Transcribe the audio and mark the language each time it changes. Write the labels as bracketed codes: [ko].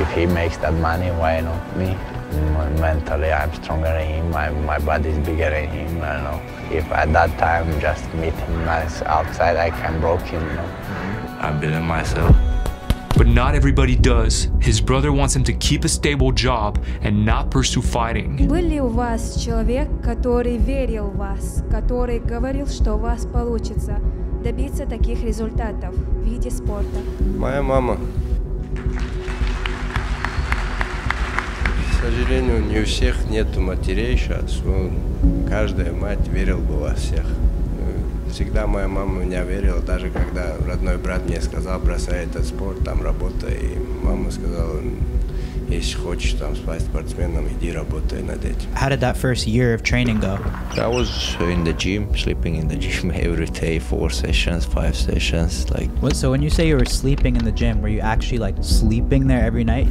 [en] If he makes that money, why not me? Mentally, I'm stronger than him. My body's bigger than him. I don't know. If at that time, just meet him outside, I can broke him. You know? I believe in myself. but not everybody does. His brother wants him to keep a stable job and not pursue fighting. [ru] Были у вас человек, который верил в вас, который говорил, что у вас получится добиться таких результатов в виде спорта? Моя мама. К сожалению, не у всех нету матерей сейчас. Каждая мать верила бы во всех. Всегда моя мама в меня верила, даже когда родной брат мне сказал, бросай этот спорт, там работа. И мама сказала, если хочешь там стать спортсменом, иди работай над этим. [en] How did that first year of training go? I was in the gym, sleeping in the gym every day, 4 sessions, 5 sessions, like. What? So when you say you were sleeping in the gym, were you actually like sleeping there every night?